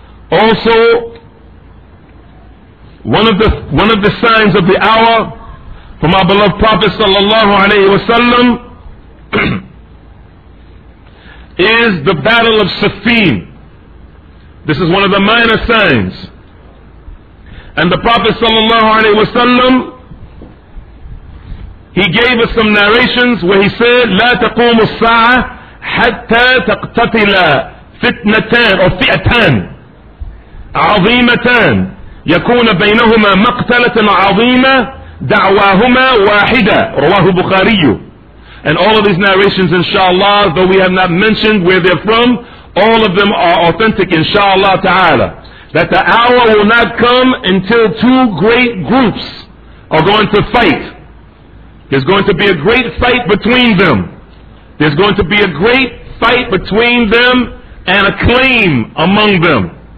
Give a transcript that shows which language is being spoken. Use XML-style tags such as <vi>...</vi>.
<en>Also, one of the signs of the hour from our beloved Prophet sallallahu alaihi wasallam is the Battle of Siffin. This is one of the minor signs. And the Prophet sallallahu alaihi wasallam, he gave us some narrations where he said,</en> <ar>لا تقوم الساعة حتى تقتتل فتنتان أو فئتان عظيمتان يكون بينهما مقتلة عظيمة دعواهما واحدة رواه البخاري.</ar> <en>And all of these narrations, inshallah, though we have not mentioned where they're from, all of them are authentic, inshallah ta'ala. That the hour will not come until two great groups are going to fight. There's going to be a great fight between them. There's going to be a great fight between them and a claim among them.</en>